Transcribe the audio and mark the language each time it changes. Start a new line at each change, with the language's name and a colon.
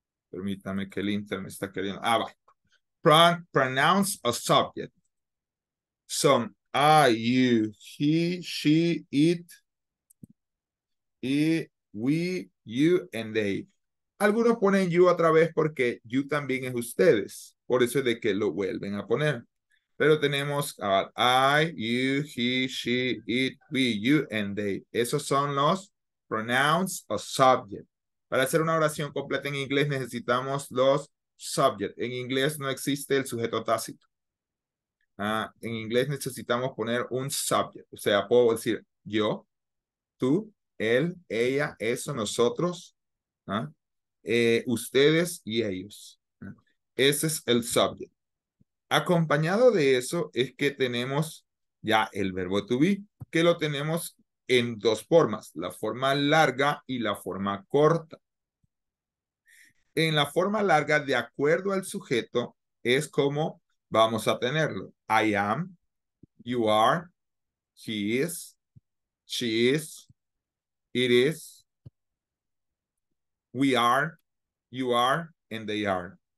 Spanish: Permítame que el internet me está queriendo. Ah, va.
English: Pronouns o subject. Son I, you, he, she, it, y we, you, and they.
Spanish: Algunos ponen you otra vez porque you también es ustedes. Por eso es de que lo vuelven a poner.
English: Pero tenemos I, you, he, she, it, we, you, and they.
Spanish: Esos son los pronouns o subject. Para hacer una oración completa en inglés necesitamos los subject. En inglés no existe el sujeto tácito. En inglés necesitamos poner un subject. O sea, puedo decir yo, tú, él, ella, eso, nosotros, ustedes y ellos. Ese es el subject. Acompañado de eso es que tenemos ya el verbo to be, que lo tenemos en dos formas, la forma larga y la forma corta. En la forma larga, de acuerdo al sujeto, es como vamos a tenerlo.
English: I am, you are, he is, she is, it is, we are, you are, and they are.